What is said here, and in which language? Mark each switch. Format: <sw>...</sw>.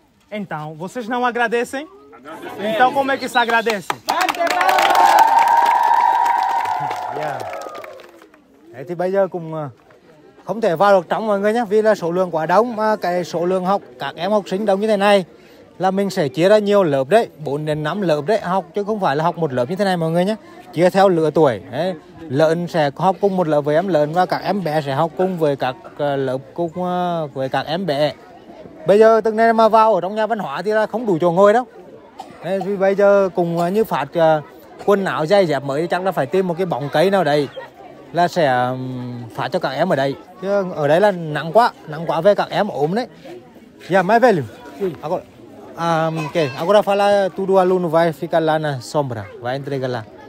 <pt>Então, vocês não agradecem? Então, como é que se agradece? Yeah.</pt> <vi>Đấy, thì bây giờ cũng không thể vào được trong mọi người nhé, vì là số lượng quá đông, mà cái số lượng học các em học sinh đông như thế này là mình sẽ chia ra nhiều lớp đấy, 4 đến 5 lớp đấy học, chứ không phải là học một lớp như thế này mọi người nhé, chia theo lứa tuổi đấy. Lớn sẽ học cùng một lớp với em lớn và các em bé sẽ học cùng với các lớp cùng với các em bé. Bây giờ từng này mà vào ở trong nhà văn hóa thì là không đủ chỗ ngồi đâu. Thì bây giờ cùng như phạt quần áo giày dép mới, chắc là phải tìm một cái bóng cây nào đây là sẽ phạt cho các em ở đây. Chứ ở đây là nặng quá về các em ốm đấy. Dạ mai về luôn.</vi> <pt>Ok, agora fala tudo aluno vai ficar lá na sombra, vai entregar lá.</pt>